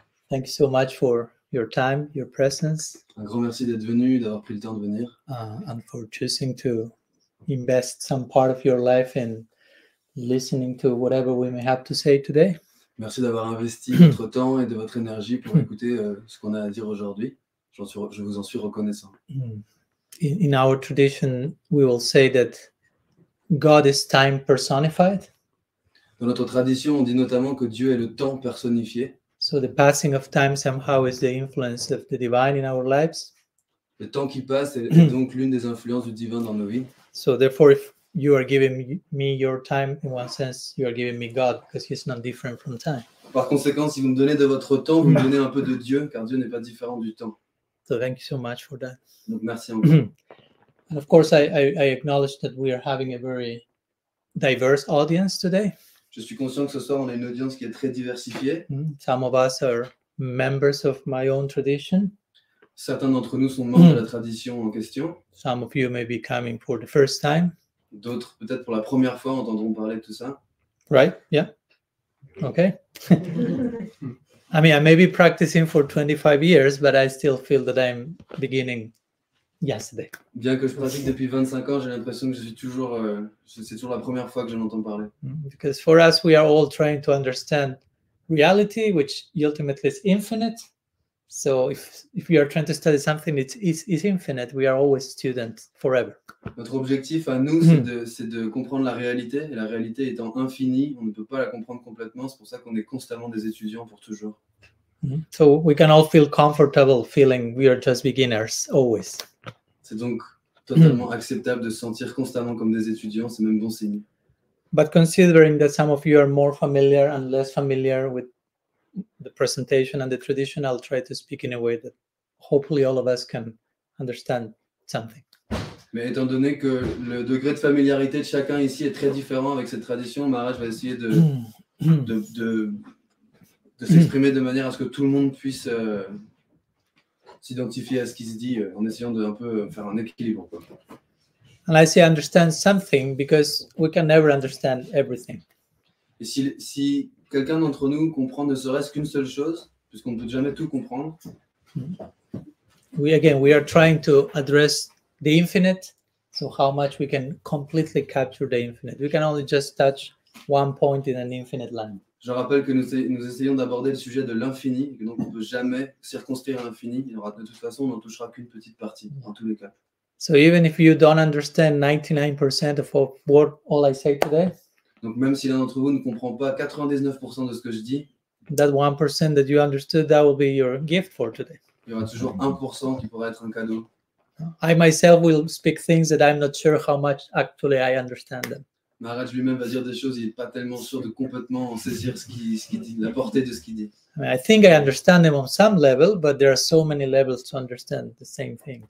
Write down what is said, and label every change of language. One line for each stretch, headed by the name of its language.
English: Thank you so much for your time, your presence.
French: Un grand merci d'être venu, d'avoir pris le temps de venir.
English: And for choosing to invest some part of your life in listening to whatever we may have to say today.
French: Merci d'avoir investi votre temps et de votre énergie pour écouter ce qu'on a à dire aujourd'hui. Je vous en suis reconnaissant.
English: In our tradition, we will say that God is time personified.
French: Dans notre tradition, on dit notamment que Dieu est le temps personnifié.
English: So the passing of time somehow is the influence of the divine in our lives.
French: Le temps qui passe est donc l'une des influences du divin dans nos vies.
English: So therefore, if you are giving me your time, in one sense, you are giving me God, because he's not different from time.
French: Par conséquent, si vous me donnez de votre temps, vous me donnez un peu de Dieu, car Dieu n'est pas différent du temps.
English: So thank you so much for that.
French: Donc merci encore.
English: And of course, I acknowledge that we are having a very diverse audience today.
French: Je suis conscient que ce soir, on a une audience qui est très diversifiée.
English: Some of us are members of my own tradition.
French: Certains d'entre nous sont membres de la tradition en question.
English: Some of you may be coming for the first time.
French: D'autres, peut-être pour la première fois, entendront parler de tout ça.
English: Right, yeah. Okay. I mean, I may be practicing for 25 years, but I still feel that I'm beginning yesterday.
French: Bien que je pratique depuis 25 ans, j'ai l'impression que je suis toujours c'est toujours la première fois que j'en entends parler.
English: Because for us, we are all trying to understand reality, which ultimately is infinite. So if we are trying to study something, it's infinite. We are always students forever.
French: Notre objectif à nous, c'est de comprendre la réalité. Et la réalité étant infinie, on ne peut pas la comprendre complètement. C'est pour ça qu'on est constamment des étudiants pour toujours.
English: So we can all feel comfortable feeling we are just beginners always.
French: C'est donc totalement acceptable de se sentir constamment comme des étudiants, c'est même bon signe.
English: But considering that some of you are more familiar and less familiar with the presentation and the tradition, I'll try to speak in a way that hopefully all of us can understand something.
French: Mais étant donné que le degré de familiarité de chacun ici est très différent avec cette tradition, Maharaj va essayer de s'exprimer de manière à ce que tout le monde puisse s'identifier à ce qui se dit en essayant de un peu faire un équilibre.
English: And I say understand something because we can never understand everything.
French: Et si quelqu'un d'entre nous comprend ne serait-ce qu'une seule chose, puisqu'on ne peut jamais tout comprendre.
English: We are trying to address the infinite, So how much we can completely capture the infinite. We can only just touch one point in an infinite line.
French: Je rappelle que nous essayons d'aborder le sujet de l'infini, donc on ne peut jamais circonscrire l'infini. Il y aura de toute façon, on n'en touchera qu'une petite partie, en tous les cas.
English: So even if you don't understand 99% of what all I say today,
French: donc même si l'un d'entre vous ne comprend pas 99% de ce que je dis,
English: that 1% that you understood, that will be your gift for today.
French: Il y aura toujours 1% qui pourrait être un cadeau.
English: I myself will speak things that I'm not sure how much actually I understand them.
French: Maharaj lui-même va dire des choses, il n'est pas tellement sûr de complètement en saisir ce qu'il dit, la portée de ce qu'il dit.
English: I think I understand them on some level, but there are so many levels to understand the same thing.